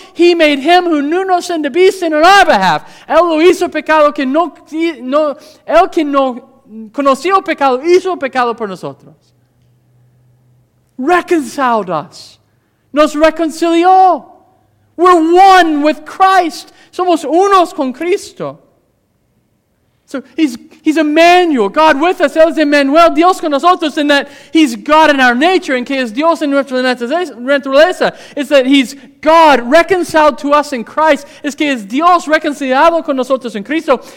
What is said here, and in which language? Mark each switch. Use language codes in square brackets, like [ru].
[en] He made him who knew no sin to be sin on our behalf. [es] Él lo hizo pecado que no conoció pecado, hizo pecado por nosotros. [en] Reconciled us. [es] Nos reconcilió. [en] We're one with Christ. [es] Somos unos con Cristo. [en] So he's Emmanuel, God with us. [es] Él es Emmanuel, Dios con nosotros, [en] in that he's God in our nature, [es] en que es Dios en nuestra naturaleza. [en] It's that he's God reconciled to us in Christ. [es] Es que es Dios reconciliado con nosotros en Cristo.